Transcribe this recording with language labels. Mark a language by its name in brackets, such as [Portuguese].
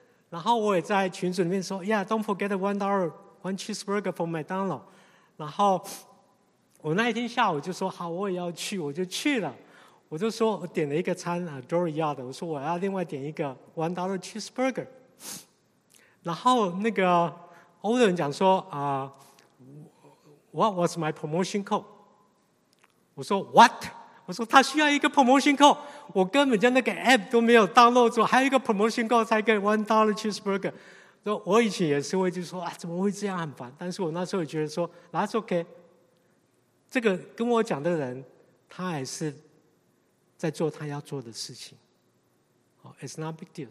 [Chinese] 然后我也在群组里面说 Yeah don't forget $1 one cheeseburger for 麦当劳。然后我那一天下午就说好，我也要去，我就去了，我就说我点了一个餐 Doria 的，我说我要另外点一个 $1 cheeseburger。 [English] 然后那个欧德人讲说 What was my promotion code？ [Chinese] 我说 What？我说他需要一个 promotion code， 我根本就那个 app 都没有 download 住，还有一个 promotion code 才给 $1 cheeseburger。说我以前也是会就说啊，怎么会这样，很烦，但是我那时候也觉得说 That's OK，这个跟我讲的人他还是在做他要做的事情， It's not big deal。